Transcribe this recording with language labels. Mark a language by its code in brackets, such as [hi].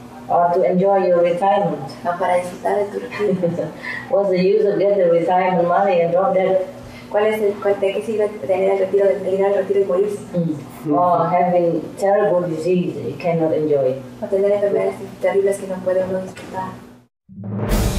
[en] Or to enjoy your retirement. [es] No, para disfrutar de tu retiro. [en] What's the use of getting retirement money and drop that? [es] ¿Cuál es el de qué sirve tener el retiro y morirse? [en] Or having terrible disease that you cannot enjoy. [es] O tener enfermedades terribles que no puede uno disfrutar.